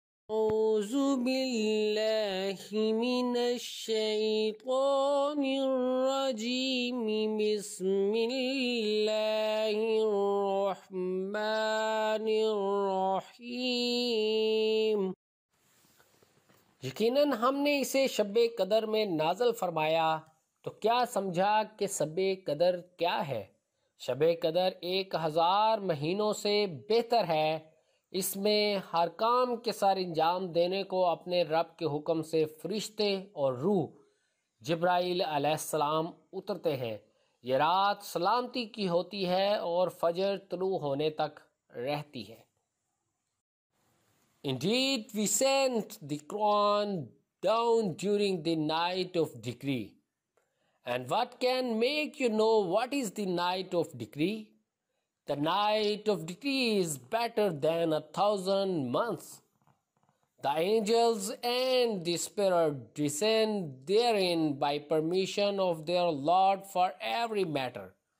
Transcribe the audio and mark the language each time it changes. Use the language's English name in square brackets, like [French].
[Arabic] أعوذ بالله من الشيطان الرجيم بسم الله الرحمن الرحيم [Urdu] یقیناً ہم نے اسے شب قدر میں نازل فرمایا تو کیا سمجھا کہ شب قدر کیا ہے؟ شب قدر 1000 مہینوں سے بہتر ہے، اس میں ہر کام کے سر انجام دینے کو اپنے رب کے حکم سے فرشتے اور روح جبرائیل علیہ السلام اترتے ہیں، یہ رات سلامتی کی ہوتی ہے اور فجر طلوع ہونے تک رہتی ہے۔ [English] Indeed, we sent the Quran down during the night of decree. And what can make you know what is the night of decree? The night of decree is better than 1000 months. The angels and the spirit descend therein by permission of their Lord for every matter.